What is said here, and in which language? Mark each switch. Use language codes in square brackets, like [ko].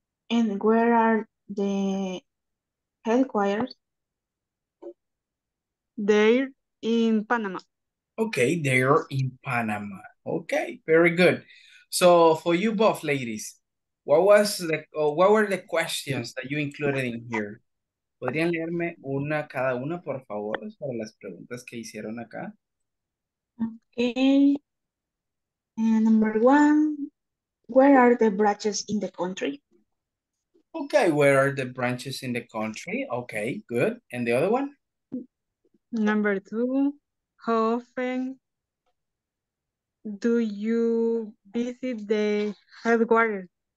[en] And where are the headquarters? They're in Panama. Okay, they're in Panama. Okay, very good. So for you both ladies, what were the questions that you included in here? [es] ¿Podrían leerme una cada una, por favor, sobre las preguntas que hicieron acá? [en] Okay. And number 1, where are the branches in the country? Okay, where are the branches in the country? Okay, good. And the other one? Number 2, how often do you visit the headquarters?